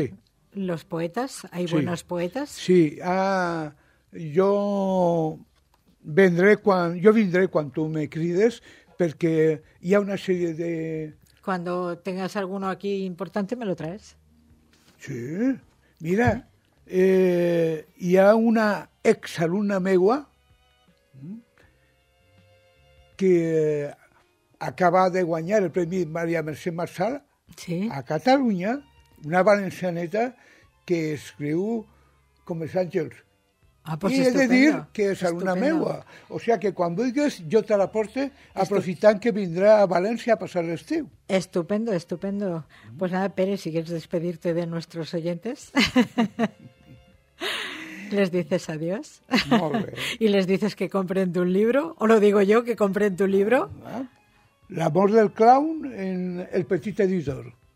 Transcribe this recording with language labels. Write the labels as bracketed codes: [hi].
[es] Sí. Los poetas, hay buenos poetas. Sí, yo vendré cuando tú me crides, porque hay una serie de... Cuando tengas alguno aquí importante, me lo traes. Sí. [ca] Mira, hi ha una exalumna meua que acaba de guanyar el Premi Maria Mercè Marçal a Catalunya, una valencianeta que escriu com els àngels. [es] Ah, pues [ca] i he de dir que és alumna meua. O sigui que quan vulguis, jo te la porto aprofitant que vindrà a València a passar l'estiu. [es] Estupendo, estupendo. Pues nada, Pere, si quieres despedirte de nuestros oyentes, les dices adiós. Y les dices que compren tu libro. O lo digo yo, que compren tu libro. [ca] L'amor del clown en el petit editor.